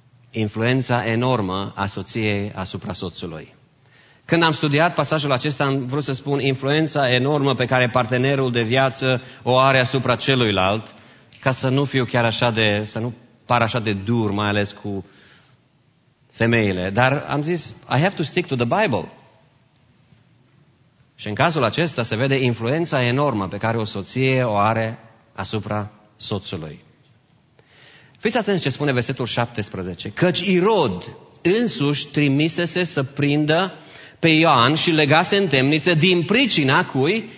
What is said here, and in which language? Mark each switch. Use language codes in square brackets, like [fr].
[ro] Influența enormă a soției asupra soțului. Când am studiat pasajul acesta, am vrut să spun influența enormă pe care partenerul de viață o are asupra celuilalt, ca să nu fiu chiar așa de, să nu par așa de dur, mai ales cu femeile. Dar am zis, [en] I have to stick to the Bible. [ro] Și în cazul acesta se vede influența enormă pe care o soție o are asupra soțului. Fiți atenți ce spune versetul 17. Căci Irod însuși trimisese să prindă pe Ioan și legase în temniță din pricina cui?